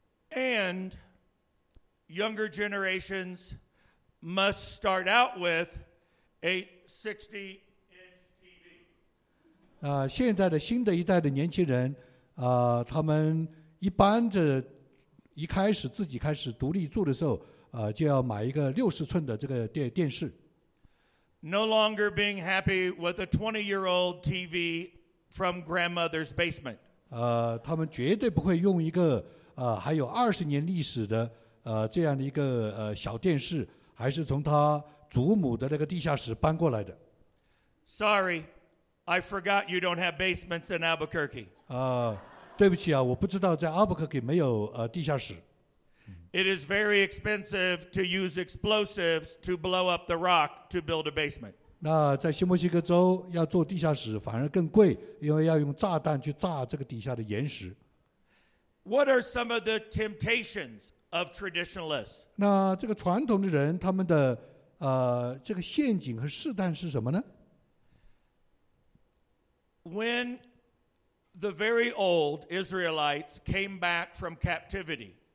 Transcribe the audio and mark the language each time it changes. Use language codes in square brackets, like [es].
[en] And younger generations must start out with a 60-inch TV. [zh] 现在的新的一代的年轻人他们一般的一开始自己开始独立住的时候就要买一个60寸的这个电视。 [en] No longer being happy with a 20-year-old TV from grandmother's basement. [zh] 他们绝对不会用一个还有20年历史的这样的一个小电视，还是从他祖母的那个地下室搬过来的。 [en] Sorry, I forgot you don't have basements in Albuquerque. [zh] 对不起啊，我不知道在 Albuquerque 没有地下室。 [en] It is very expensive to use explosives to blow up the rock to build a basement. [zh] 那在新墨西哥州要做地下室反而更贵，因为要用炸弹去炸这个底下的岩石。 [en] What are some of the temptations of traditionalists? [zh] 那这个传统的人他们的这个陷阱和试探是什么呢？ [en] When the very old Israelites came back from captivity.